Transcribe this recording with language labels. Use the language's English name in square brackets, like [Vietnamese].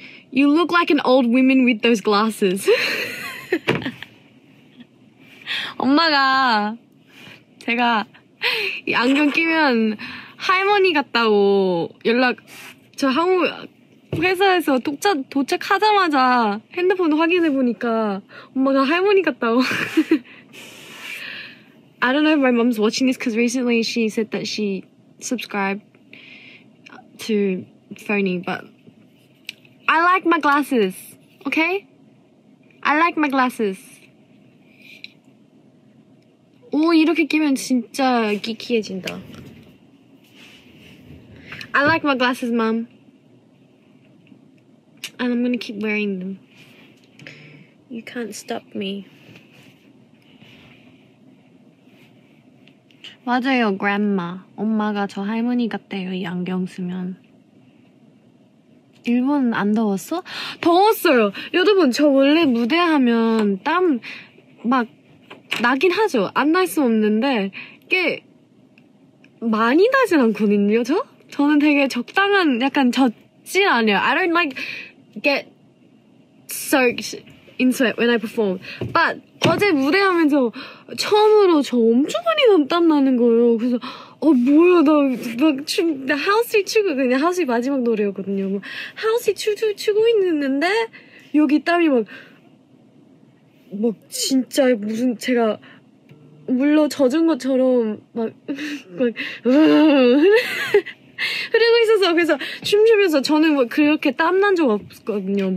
[English] You look like an old woman with those glasses. [Korean] 엄마가 제가 이 안경 끼면 할머니 같다고 연락 저 한국 회사에서 도착하자마자 핸드폰 확인해 보니까 엄마가 할머니 같다고. [English] I don't know if my mom's watching this because recently she said that she subscribed to Phony, but I like my glasses, okay? I like my glasses. [Korean] 오, 이렇게 끼면 진짜 기키해진다. [English] I like my glasses, mom. And I'm gonna keep wearing them. You can't stop me. [Korean] 맞아요, grandma. 엄마가 저 할머니 같대요, 이 안경 쓰면. 일본 안 더웠어? 더웠어요! 여러분, 저 원래 무대하면 땀 막 나긴 하죠. 안 날 수 없는데 꽤 많이 나진 않거든요, 저? 저는 되게 적당한, 약간 젖진 않아요. [English] I don't like get soaked in sweat when I perform. [Korean] But 어제 무대하면서 처음으로 저 엄청 많이 땀 나는 거예요. 그래서 뭐야 나 막 춤 나 하우스 추고 그냥 하우스 마지막 노래였거든요. 뭐 하우스 추고 있는데 여기 땀이 막 진짜 무슨 제가 물로 젖은 것처럼 막 흐르고 있어서 그래서 춤추면서 저는 뭐 그렇게 땀난 적 없거든요.